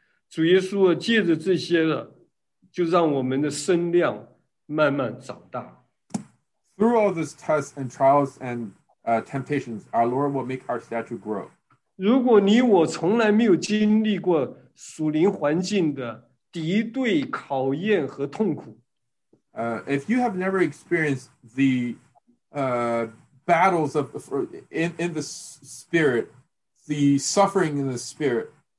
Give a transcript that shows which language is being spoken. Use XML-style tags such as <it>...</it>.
<zh>主耶稣借着这些的，就让我们的身量慢慢长大。</zh> <en>Through all these tests and trials and temptations, our Lord will make our stature grow.</en> <zh>如果你我从来没有经历过属灵环境的敌对考验和痛苦，</zh> <en>if you have never experienced the battles of in the spirit, the suffering in the spirit,</en>